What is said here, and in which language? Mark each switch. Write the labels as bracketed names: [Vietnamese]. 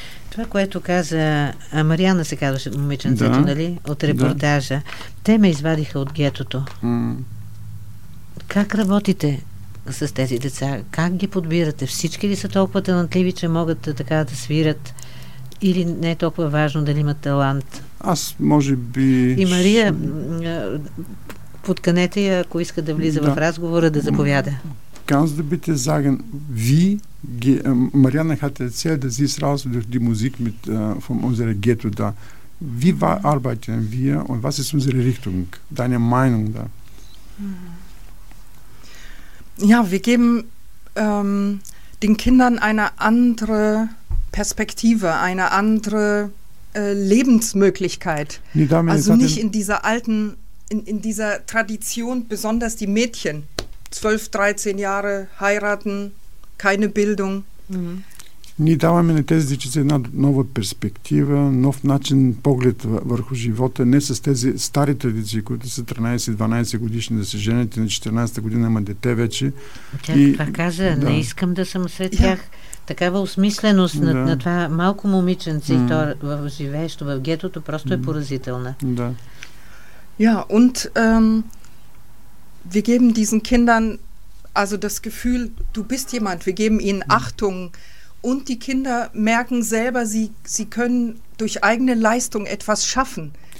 [Bulgarian] Това, което каза Мариана, се казваше момиченцето, да, нали, от репортажа, да, те ме извадиха от гетото. Как работите? с тези деца? Как ги подбирате? Всички ли са толкова талантливи, че могат така да свирят? Или не е толкова важно дали имат талант? Аз може би... И Мария, подканете я, ако иска да влиза да. В разговора, да заповяда. [German] Ganz da bitte sagen, wie Marianne hat erzählt, dass sie ist raus durch die Musik mit von unserer Ghetto da. Wie arbeiten wir und was ist unsere Richtung? Deine Meinung da? Ja, wir geben den Kindern eine andere Perspektive, eine andere Lebensmöglichkeit. Also nicht in dieser alten, in dieser Tradition, besonders die Mädchen. 12, 13 Jahre heiraten, keine Bildung. [Bulgarian] Ние даваме на тези дечица една нова перспектива, нов начин поглед върху живота, не с тези стари традиции, които са 13-12 годишни да се женят и на 14-та година има дете вече. Тя така каза, да. Не искам да съм сред тях. Такава осмисленост на това малко момиченце и то живеещо в гетото просто е поразителна. Да. [German] Ja, und wir geben diesen Kindern also das Gefühl, du bist jemand. Wir geben ihnen Achtung. Und die Kinder merken selber, sie können durch eigene Leistung etwas schaffen.